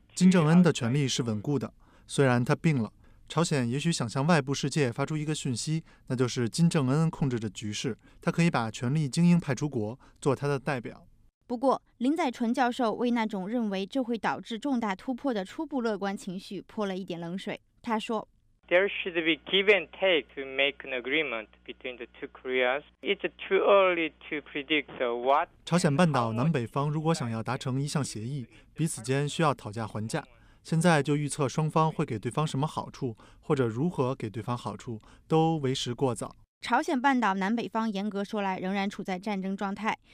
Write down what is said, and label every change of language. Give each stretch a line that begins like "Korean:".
Chinese: 金正恩的权力是稳固的，虽然他病了。朝鲜也许想向外部世界发出一个讯息，那就是金正恩控制着局势，他可以把权力精英派出国，做他的代表。不过，林载淳教授为那种认为这会导致重大突破的初步乐观情绪泼了一点冷水，他说，
English: There should be give and take to make an agreement between the two Koreas. It's too early to predict what.
Chinese: 朝鲜半岛南北方如果想要达成一项协议，彼此间需要讨价还价。现在就预测双方会给对方什么好处，或者如何给对方好处，都为时过早。朝鲜半岛南北方严格说来仍然处在战争状态。